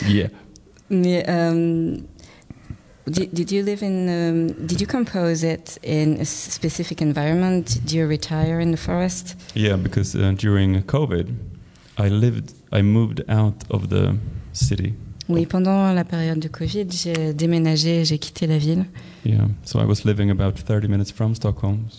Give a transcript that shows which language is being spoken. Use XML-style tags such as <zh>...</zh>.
<en>Yeah. Mais, did you live in... did you compose it in a specific environment? Did you retire in the forest? Yeah, because during COVID, I moved out of the city.</en> <fr>Oui, pendant la période de COVID, j'ai déménagé, j'ai quitté la ville.</fr> <en>Yeah, so I was living about 30 minutes from Stockholm.</en>